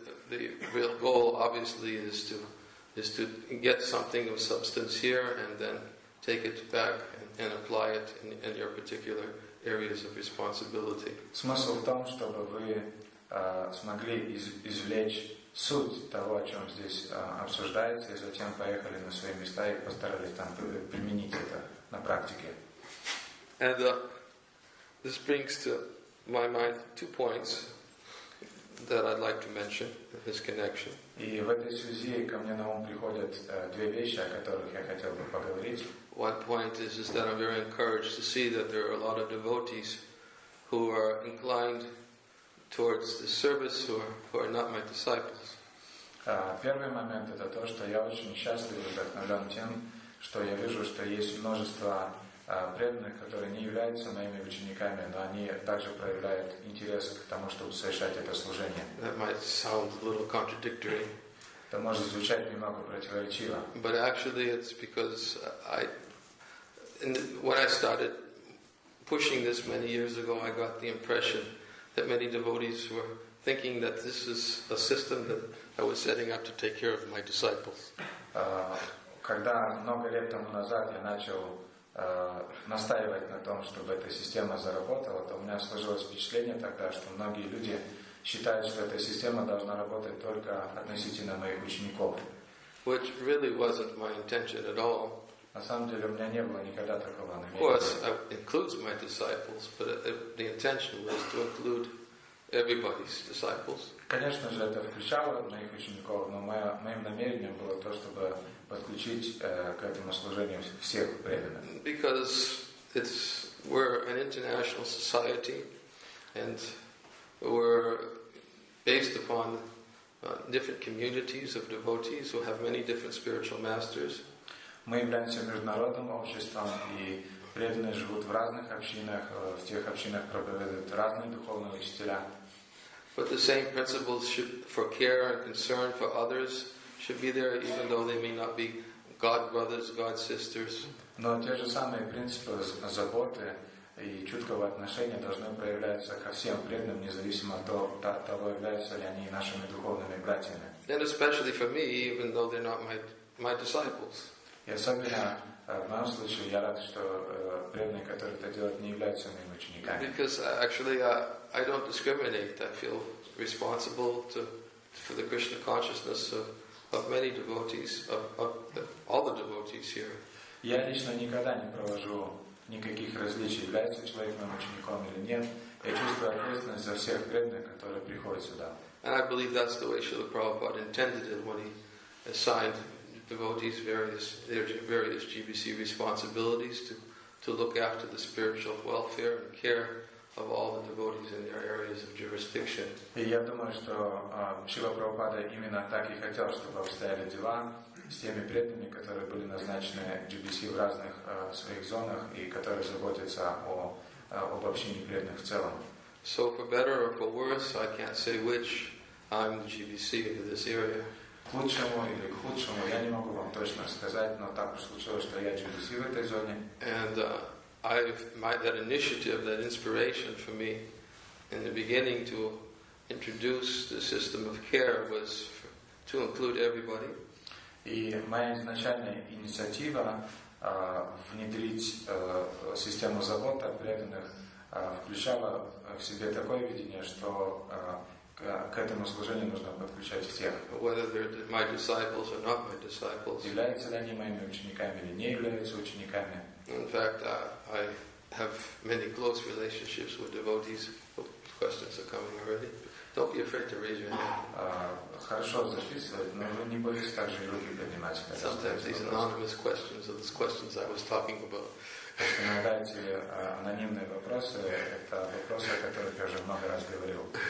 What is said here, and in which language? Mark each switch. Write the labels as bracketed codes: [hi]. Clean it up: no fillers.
[en] The real goal obviously is to get something of substance here and then take it back and apply it in your particular areas of responsibility. [ru] Смысл в том, чтобы вы смогли извлечь суть того, о чем здесь обсуждается, и затем поехали на свои места и постарались там применить это на практике. [en] And this brings to my mind two points that I'd like to mention in this connection. [ru] И в этой связи ко мне на ум приходят две вещи, о которых я хотел бы поговорить. [en] One point is that I'm very encouraged to see that there are a lot of devotees who are inclined towards the service who are not my disciples. [ru] Первый момент — это то, что я очень счастлив и вдохновлен тем, что я вижу, что есть множество преданных, которые не являются моими учениками, но они также проявляют интерес к тому, чтобы совершать это служение. [en] That might sound a little contradictory. [ru] Это может звучать немного противоречиво. [en] But actually it's because when I started pushing this many years ago, I got the impression that many devotees were thinking that this is a system that I was setting up to take care of my disciples. [ru] Когда много лет тому назад я начал настаивать на том, чтобы эта система заработала, то у меня сложилось впечатление тогда, что многие люди считают, что эта система должна работать только относительно моих учеников. [en] Which really wasn't my intention at all. [ru] На самом деле у меня не было никогда такого намерения. [en] Of course, I include my disciples, but the intention was to include everybody's disciples. [ru] Конечно же, это включало моих учеников, но моим намерением было то, чтобы подключить к этому служению всех преданных. [en] Because we're an international society, and we're based upon different communities of devotees who have many different spiritual masters. [ru] Мы являемся международным обществом, и преданные живут в разных общинах, в тех общинах проповедуют разные духовные учителя. [en] But the same principles should, for care and concern for others should be there, even though they may not be God brothers, God sisters. [ru] Но те же самые принципы заботы и чуткого отношения должны проявляться ко всем преданным, независимо от того, являются ли они нашими духовными братьями. [en] And especially for me, even though they're not my disciples. [ru] И особенно в моем случае я рад, что преданные, которые это делают, не являются моими учениками. [en] Because actually I don't discriminate. I feel responsible for the Krishna consciousness of many devotees, all the devotees here. [ru] Я лично никогда не провожу никаких различий, является человек моим учеником или нет. Я чувствую ответственность за всех преданных, которые приходят сюда. [en] And I believe that's the way Srila Prabhupada intended it when he assigned devotees various GBC responsibilities to look after the spiritual welfare and care of all the devotees in their areas of jurisdiction. [ru] И я думаю, что Шрила Прабхупада именно так и хотел, чтобы обстояли дела с теми преданными, которые были назначены GBC в разных своих зонах и которые заботятся об общении преданных в целом. [en] So for better or for worse, I can't say which I'm the GBC of this area. [ru] К лучшему или к худшему, я не могу вам точно сказать, но так уж случилось, что я GBC в этой зоне. [en] And that initiative, that inspiration for me in the beginning to introduce the system of care was to include everybody. [ru] И моя изначальная инициатива внедрить систему забот о преданных включала в себе такое видение, что к этому служению нужно подключать всех. [en] Whether they're my disciples or not my disciples. [ru] Являются ли они моими учениками или не являются учениками. [en] In fact, I have many close relationships with devotees. Questions are coming already. Don't be afraid to raise your hand. [ru] Хорошо записывать, но не бойтесь также руки поднимать. [en] Sometimes these anonymous questions are the questions I was talking about. [ru] Иногда эти анонимные вопросы — это вопросы, о которых я уже много раз говорил.